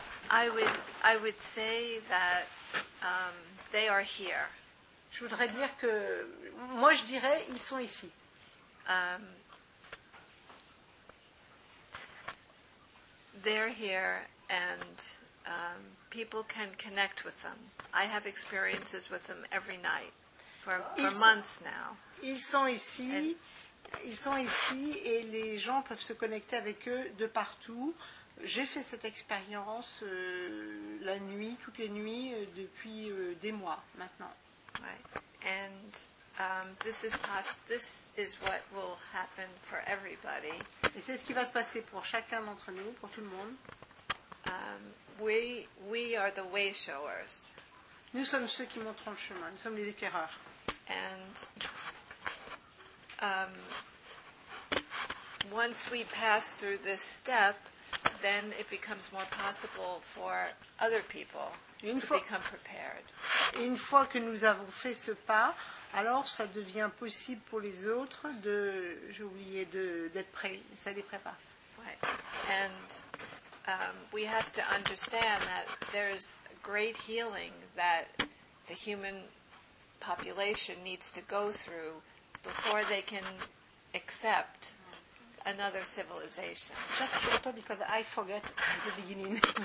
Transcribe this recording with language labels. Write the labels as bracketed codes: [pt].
[en] I would say that they are here. [fr] Je voudrais dire que, moi je dirais, ils sont ici. [en] They're here and people can connect with them. I have experiences with them every night for months now. [fr] Ils sont ici, et les gens peuvent se connecter avec eux de partout. J'ai fait cette expérience la nuit, toutes les nuits, depuis des mois maintenant. [en] Right. And this is what will happen for everybody. [fr] Et c'est ce qui va se passer pour chacun d'entre nous, pour tout le monde. [en] We are the way showers. [fr] Nous sommes ceux qui montrent le chemin, nous sommes les éclaireurs. [en] And once we pass through this step, then it becomes more possible for other people. [fr] Une fois que nous avons fait ce pas, alors ça devient possible pour les autres de, j'ai oublié, d'être prêts, ça les prépare. [en] Right. And we have to understand that there's great healing that the human population needs to go through before they can accept another civilization. Just for you, because I forget at the beginning.